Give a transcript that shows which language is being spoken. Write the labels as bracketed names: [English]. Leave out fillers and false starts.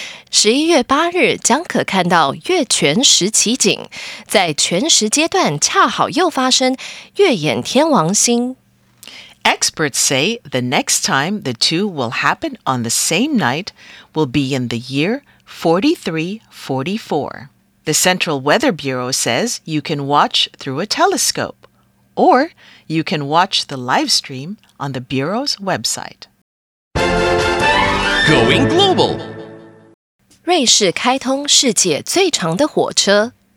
[Chinese] 11月8日将可看到月全食奇景,在全食阶段恰好又发生月掩天王星。 [English] Experts say the next time the two will happen on the same night will be in the year 4344. The Central Weather Bureau says you can watch through a telescope, or you can watch the live stream on the Bureau's website. Going global! [Chinese] 瑞士开通世界最长的火车。